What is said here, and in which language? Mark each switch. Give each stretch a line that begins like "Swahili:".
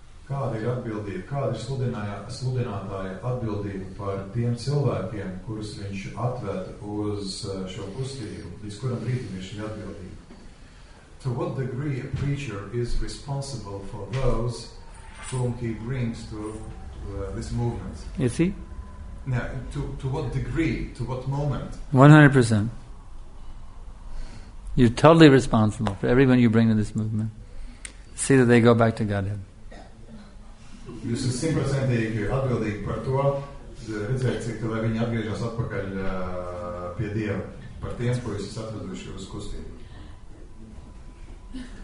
Latvian: Kāda ir atbildība, kāda ir sludinātāja atbildība par tiem cilvēkiem, kurus viņš atved uz šo kustību, līdz kuram brīdim ir šī atbildība?
English: To what degree a preacher is responsible for those whom he brings to this movement? Is he? Now, to what degree, to what moment? 100%. You're totally responsible for everyone you bring to this movement. See that they go back to Godhead.
Latvian: Jūs esat 100% atbildīgi par to, redzēt, cik tā, lai viņi atgriežas atpakaļ pie Dieva, par tiem, ko jūs esat atveduši uz kustību.